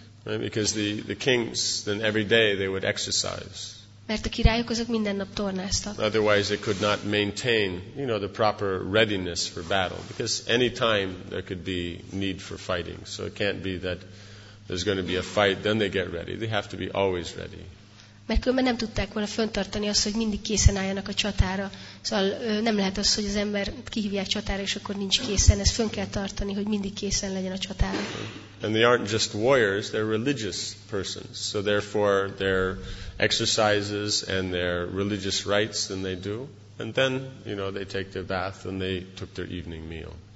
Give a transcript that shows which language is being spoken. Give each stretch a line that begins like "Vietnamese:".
English: Because the kings, then every day they would exercise.
Hungarian: Mert a királyok azok minden nap tornáztak.
English: Otherwise they could not maintain, you know, the proper readiness for battle. Because any time there could be need for fighting. So it can't be that there's going to be a fight, then they get ready. They have to be always ready.
Hungarian: Mert különben nem tudták volna fönntartani azt, hogy mindig készen álljanak a csatára. Szóval nem lehet az, hogy az ember kihívják csatára, és akkor nincs készen. Ezt fönn kell tartani, hogy mindig készen legyen a csatára.
English: And they aren't just warriors, they're religious persons. So therefore their exercises and their religious rites then they do. And then, you know, they take their bath and they took their evening meal.